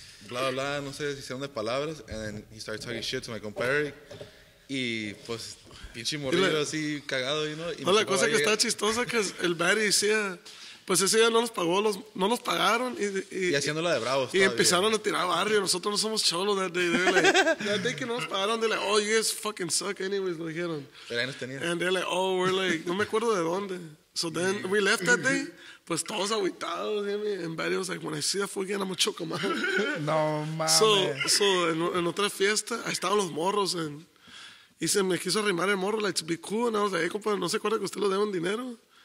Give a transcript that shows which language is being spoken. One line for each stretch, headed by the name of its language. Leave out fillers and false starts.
Spanish: Bla, bla, no sé si son de palabras.
English: And then he started talking shit to my compadre.
Spanish: Y pues, pinche morrillo así, cagado, you know? No, la cosa que está chistosa que es el Barry decía, pues ese día no nos pagaron. Y haciéndola de bravos. Y empezaron a tirar barrio. Nosotros no somos cholos. De que no nos pagaron.
English: De like, oh, you guys fucking suck anyways, lo dijeron.
Spanish: Pero ahí nos tenían.
English: And they're like, oh, we're like, no me acuerdo de dónde. So then we left that day.
Spanish: Pues todos aguitados, ¿sí?
English: And Barry was like, when I see that fucking, I'm a choke him out.
Spanish: No, mames. So, en otra fiesta, ahí estaban los morros, y se me quiso arrimar el morro, like, to be cool, and I was like, hey, compadre, ¿no se acuerda que usted lo debe un dinero?